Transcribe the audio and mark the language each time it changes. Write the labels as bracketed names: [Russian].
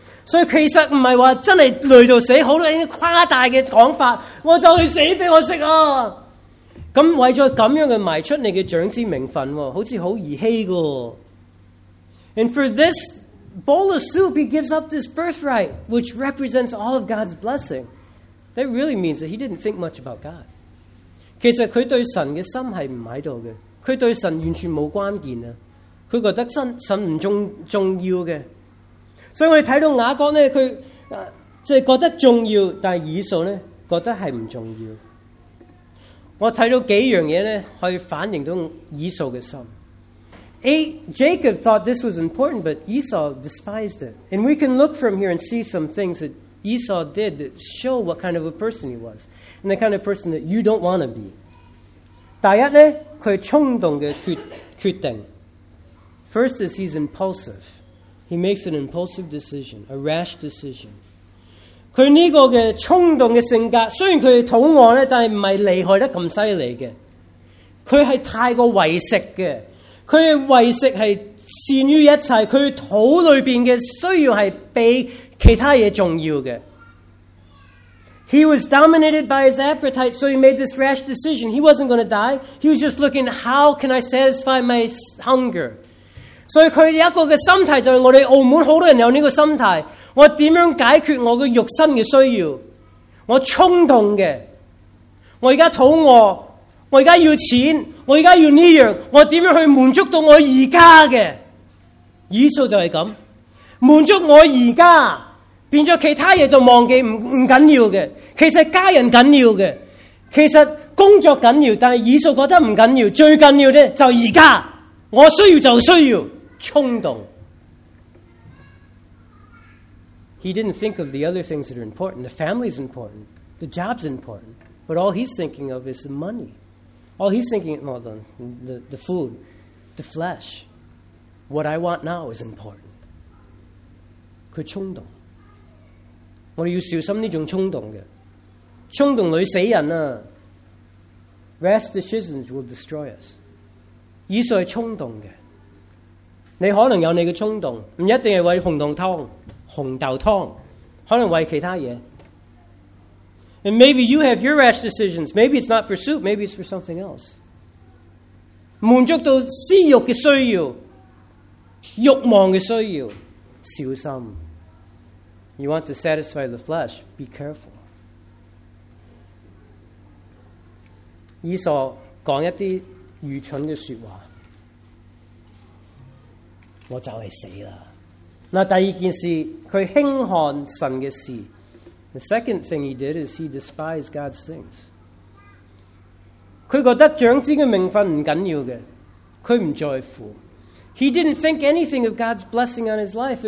[Cantonese] 所以其实唔系话真系累到死，好多人夸大嘅讲法，我就去死俾我食啊！咁为咗咁样嘅卖出你嘅长子名分，好似好儿戏噶。 [English] And for this bowl of soup, he gives up this birthright, which represents all of God's blessing. That really means that he didn't think much about God. [Cantonese] 其实佢对神嘅心系唔喺度嘅，佢对神完全冇关键啊。佢觉得神唔重要嘅，所以我哋睇到雅各咧，佢即系觉得重要，但系以扫咧觉得系唔重要。我睇到几样嘢咧，可以反映到以扫嘅心。 [English] Jacob thought this was important, but Esau despised it. And we can look from here and see some things that Esau did that show what kind of a person he was, and the kind of person that you don't want to be. [Cantonese] 第一呢，佢衝動嘅決定。 [English] First is he's impulsive. He makes an impulsive decision, a rash decision. [Cantonese] 佢呢個嘅衝動嘅性格，雖然佢肚餓咧，但係唔係厲害得咁犀利嘅。佢係太過為食嘅。佢嘅為食係善於一切，佢肚裏邊嘅需要係比其他嘢重要嘅。 [English] He was dominated by his appetite, so he made this rash decision. He wasn't going to die. He was just looking, how can I satisfy my hunger? [Cantonese] 所以佢有一個嘅心態，就係我哋澳門好多人有呢個心態。我點樣解決我嘅肉身嘅需要？我衝動嘅，我而家肚餓，我而家要錢。我而家要呢样，我点样去满足到我而家嘅？以扫就系咁，满足我而家，变咗其他嘢就忘记，唔紧要嘅。其实家人紧要嘅，其实工作紧要，但系以扫觉得唔紧要，最紧要咧就而家，我需要就需要冲动。 [English] He didn't think of the other things that are important. The family's important, the job's important, but all he's thinking of is the money. All he's thinking about the food, the flesh. What I want now is important. [Cantonese] 佢衝動，我哋要小心呢種衝動嘅。衝動裏死人啊 [English] ！Rash decisions will destroy us. [Cantonese] 以扫係衝動嘅，你可能有你嘅衝動，唔一定係為紅豆湯，可能為其他嘢。 [English] And maybe you have your rash decisions. Maybe it's not for soup. Maybe it's for something else. [Cantonese] 滿足到私欲嘅需要，欲望嘅需要，小心。 [English] You want to satisfy the flesh? Be careful. [Cantonese] 以扫讲一啲愚蠢嘅说话，我就系死啦。嗱，第二件事，佢轻看神嘅事。 [English] The second thing he did is he despised God's things. [Cantonese] 佢覺得長子嘅名分唔緊要嘅，佢唔在乎。 [English] He didn't think anything of God's blessing on his life.